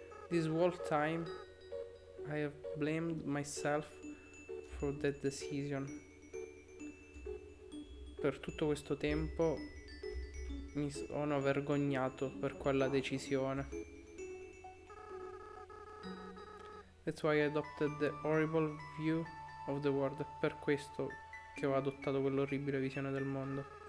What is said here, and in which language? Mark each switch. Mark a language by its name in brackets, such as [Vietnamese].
[English] This whole time I have blamed myself for that decision. [Italian] Per tutto questo tempo mi sono vergognato per quella decisione. [English] That's why I adopted the horrible view of the world. [Italian] Per questo che ho adottato quell'orribile visione del mondo.